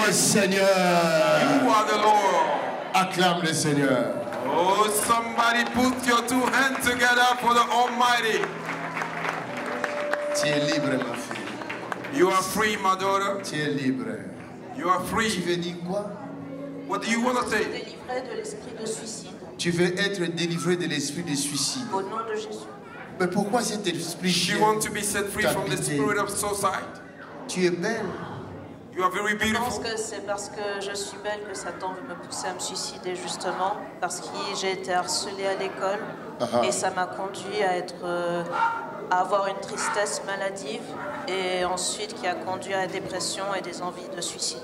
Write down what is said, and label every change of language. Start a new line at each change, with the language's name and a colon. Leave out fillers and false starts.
French: Tu es Seigneur.
English: You are the Lord.
French: Acclame le Seigneur.
English: Oh, somebody put your two hands together for the Almighty.
French: Tu es libre, ma fille.
English: You are free, my daughter.
French: Tu es libre.
English: You are free.
French: Tu veux dire quoi?
English: What do you want to say?
French: Délivré de l'esprit de suicide. Tu veux être délivré de l'esprit de suicide. Au nom de Jésus. Mais pourquoi cet esprit?
English: She wants to be set free from the spirit of suicide.
French: Tu es belle.
English: You are very beautiful.
French: Je pense que c'est parce que je suis belle que Satan veut me pousser à me suicider justement parce que j'ai été harcelée à l'école et ça m'a conduit à être à avoir une tristesse maladive et ensuite qui a conduit à la dépression et des envies de suicide.